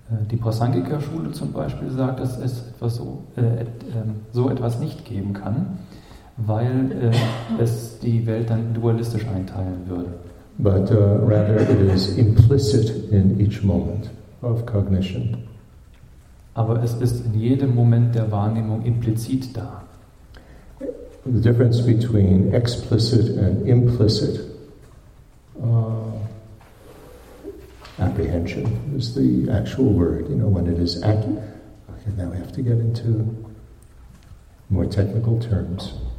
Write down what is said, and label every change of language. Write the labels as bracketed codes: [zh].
[de] Die Prasangika-Schule zum Beispiel sagt, dass es etwas so, so etwas nicht geben kann, weil es die Welt dann dualistisch einteilen würde. [en] But rather it is implicit in each moment of cognition. [de] Aber es ist in jedem Moment der Wahrnehmung implizit da. [en] The difference between explicit and implicit apprehension is the actual word, you know, when it is okay, now we have to get into more technical terms.